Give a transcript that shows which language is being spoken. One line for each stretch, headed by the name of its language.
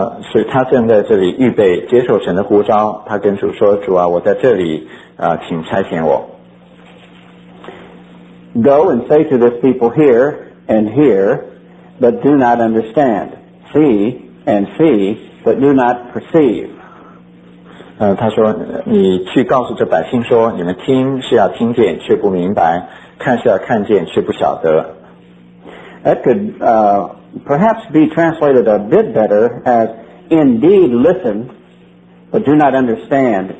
Chinese: 所以他正在这里预备接受神的呼召，他跟主说，主啊，我在这里，请差遣我。
English: Go and say to this people, hear and hear, but do not understand. See and see, but do not perceive.
Chinese: 他说，你去告诉这百姓说，你们听是要听见，却不明白，看是要看见，却不晓得。
English: That could perhaps be translated a bit better as indeed listen, but do not understand.